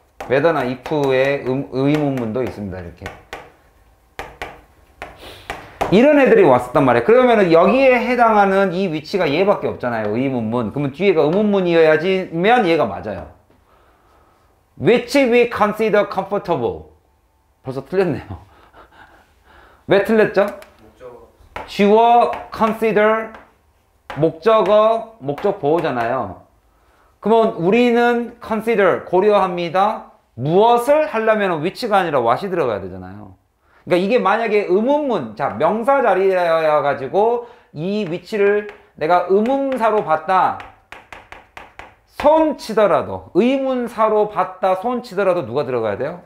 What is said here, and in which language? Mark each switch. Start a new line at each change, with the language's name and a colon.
Korean: whether나 if의 의문문도 있습니다. 이렇게. 이런 애들이 왔었단 말이에요. 그러면은 여기에 해당하는 이 위치가 얘밖에 없잖아요. 의문문. 그러면 뒤에가 의문문이어야지면 얘가 맞아요.
English: Which we consider comfortable.
Korean: 벌써 틀렸네요. 왜 틀렸죠? 주어 consider 목적어 목적 보호잖아요. 그러면 우리는 consider 고려합니다. 무엇을 하려면 which가 아니라 what이 들어가야 되잖아요. 그러니까 이게 만약에 의문문, 자, 명사 자리여 가지고 이 위치를 내가 의문사로 봤다 손치더라도 의문사로 봤다 손치더라도 누가 들어가야 돼요?